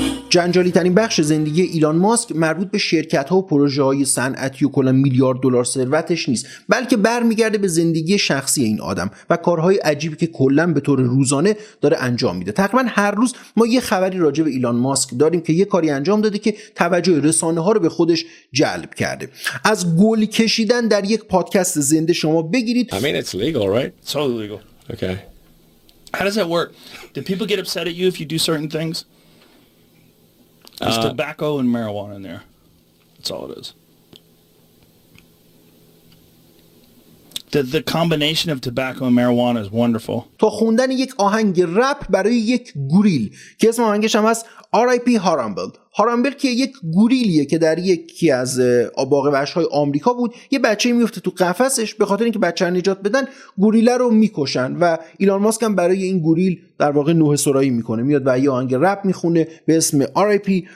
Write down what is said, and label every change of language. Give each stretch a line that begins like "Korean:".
Persian: جنجالی ترین بخش زندگی ایلان ماسک مربوط به شرکت‌ها و پروژه‌های صنعتی و کلا میلیارد دلار ثروتش نیست، بلکه برمیگرده به زندگی شخصی این آدم و کارهای عجیبی که کلا به طور روزانه داره انجام میده. تقریبا هر روز ما یه خبری راجع به ایلان ماسک داریم که یه کاری انجام داده که توجه رسانه‌ها رو به خودش جلب کرده. از گل کشیدن در یک پادکست زنده شما بگیرید.
English: I mean it's legal, right? It's totally legal. Okay. How does that work? Do people get upset at you if you do certain things? There's tobacco and marijuana in there. That's all it is. The combination of tobacco and marijuana is wonderful.
Persian: تا خوندن یک آهنگ رپ برای یک گوریل که اسم آهنگش هم از R.I.P. Harambel. هارامبل که یک گوریلیه که در یکی از باغ وحش‌های آمریکا بود، یه بچه میفته تو قفسش، به خاطر اینکه بچه رو نجات بدن گوریله رو میکشن و ایلان ماسک هم برای این گوریل در واقع نوحه سرایی میکنه، میاد و یه آهنگ رپ میخونه به اسم R.I.P.